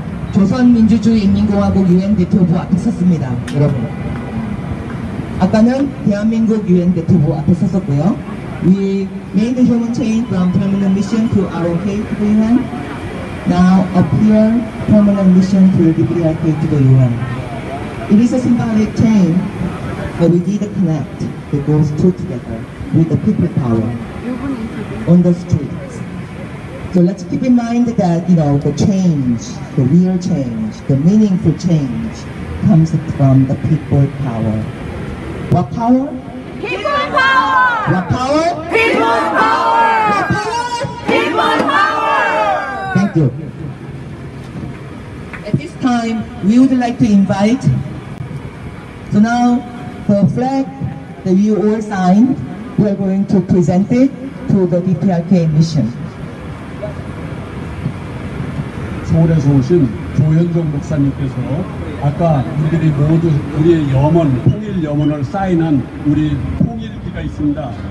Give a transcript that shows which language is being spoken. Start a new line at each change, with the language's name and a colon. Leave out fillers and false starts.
Korean: 조선민주주의인민공화국 UN 대표부 앞에 섰습니다, 여러분. 아까는 대한민국 UN 대표부 앞에 섰었고요.
English: We made the human chain from permanent mission to ROK to the UN. Now appear permanent mission to the DPRK to the UN. It is a symbolic chain, but we did connect. It goes two together with the people power. On the streets. So let's keep in mind that, you know, the change, the real change, the meaningful change comes from the people power. What power? People power! What power? People power! What power? People power! Thank you. At this time, we would like to invite, so now, the flag that you all signed, we are going to present it to the DPRK mission.
Korean: 서울에서 오신 조현정 목사님께서 아까 우리들이 모두 우리의 염원, 통일 염원을 사인한 우리 통일기가 있습니다.